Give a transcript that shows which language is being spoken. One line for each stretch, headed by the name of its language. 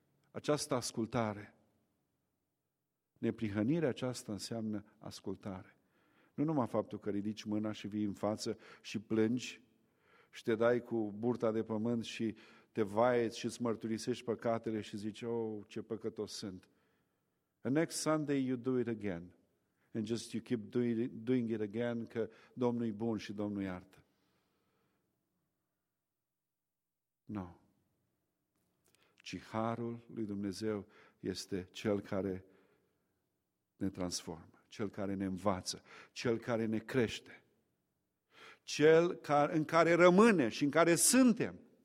Romanian: Această ascultare, neprihănirea aceasta înseamnă ascultare. Nu numai faptul că ridici mâna și vii în față și plângi și te dai cu burta de pământ și te vaieți și îți mărturisești păcatele și zici, oh, ce păcătos sunt.
English: The next Sunday you do it again. And just you keep doing it again,
Romanian: că Domnul e bun și Domnul iartă. No. Ci harul lui Dumnezeu este cel care ne transformă, cel care ne învață, cel care ne crește, cel în care rămâne și în care suntem.